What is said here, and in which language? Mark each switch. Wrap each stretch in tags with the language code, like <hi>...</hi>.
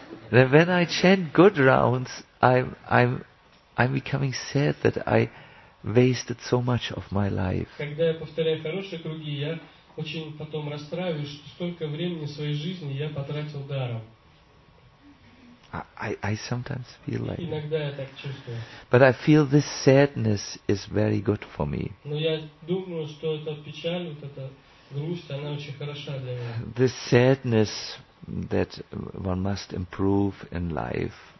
<en>Then when I chant good rounds, I'm becoming sad that I wasted so much of my life.</en> <ru>Когда я повторяю хорошие круги, я очень потом расстраиваюсь, что столько времени своей жизни я потратил даром.</ru> <en>I sometimes feel like.</en> <ru>Иногда я так чувствую.</ru> <en>But I feel this sadness is very good for me.</en> <ru>Но я думаю, что эта печаль, вот эта грусть, она очень хороша для меня.</ru> <en>This sadness that one must improve in life.</en>